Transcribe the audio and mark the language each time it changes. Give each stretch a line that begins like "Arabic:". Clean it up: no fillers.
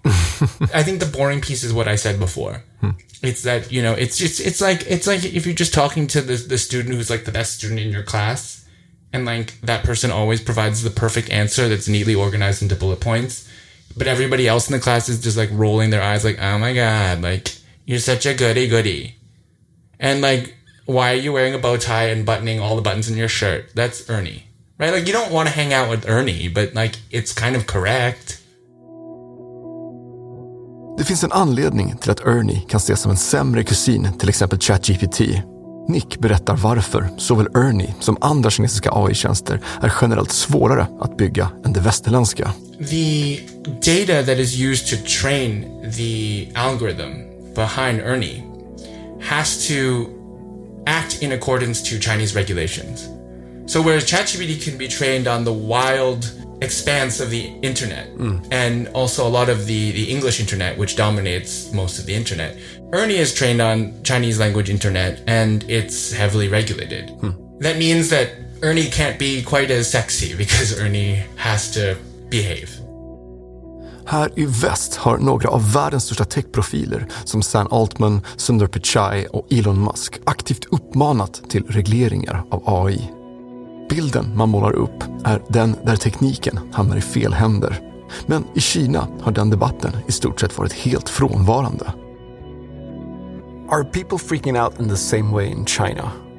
English: I think the boring piece is what I said before. It's that, you know, it's like if you're just talking to the student who's like the best student in your class, and like that person always provides the perfect answer that's neatly organized into bullet points, but everybody else in the class is just like rolling their eyes like, oh my God, like, you're such a goody-goody. And like, why are you wearing a bow tie and buttoning all the buttons in your shirt? That's Ernie. Right, like, you don't want to hang out with Ernie, but like, it's kind of correct.
Swedish: Det finns en anledning till att Ernie kan ses som en sämre kusin till exempel ChatGPT. Nick berättar varför såväl Ernie som andra kinesiska AI-tjänster är generellt svårare att bygga än det västerländska.
English: The data that is used to train the algorithm behind Ernie has to act in accordance to Chinese regulations. So whereas ChatGPT can be trained on the wild expanse of the internet and also a lot of the English internet, which dominates most of the internet, Ernie is trained on Chinese language internet and it's heavily regulated. That means that Ernie can't be quite as sexy because Ernie has to behave.
Swedish: Här i väst har några av världens största techprofiler som Sam Altman, Sundar Pichai och Elon Musk aktivt uppmanat till regleringar av AI. Bilden man målar upp är den där tekniken hamnar i fel händer Men i Kina har den debatten i stort sett varit helt frånvarande.
English: Are people freaking out in the same way in China?